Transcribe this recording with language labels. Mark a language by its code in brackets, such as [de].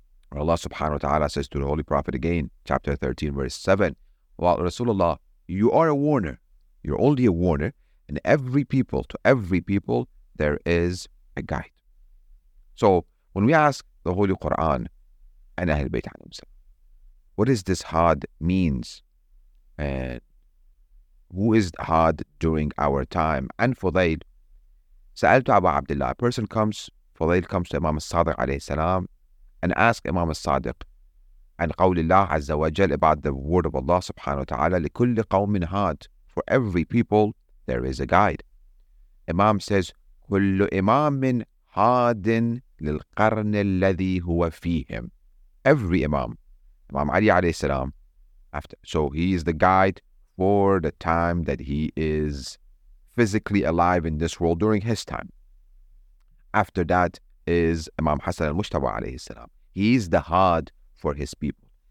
[en] Where Allah subhanahu wa ta'ala says to the Holy Prophet again, chapter 13, verse 7, while Rasulullah, you are a warner, you're only a warner, and every people, to every people, there is a guide. So when we ask the Holy Quran, and Ahl Bayt alayhi wa sallam, what is this Had means? And who is Had during our time? [ar] And Fudayl, سألت أبا عبد الله. [en] A person comes, Fudayl comes to Imam al-Sadiq alayhi salam, and ask Imam al-Sadiq, and [ar] قول الله عز وجل, [en] about the word of Allah subhanahu wa ta'ala, [ar] لكل قوم هاد. [en] For every people, there is a guide. Imam says, [ar] كل إمام هاد للقرن الذي هو فيهم. [en] Every Imam, Imam Ali alayhi salam, after, so he is the guide for the time that he is physically alive in this world during his time. After that is Imam Hassan al-Mujtaba alayhi salam. He is the Had for his people.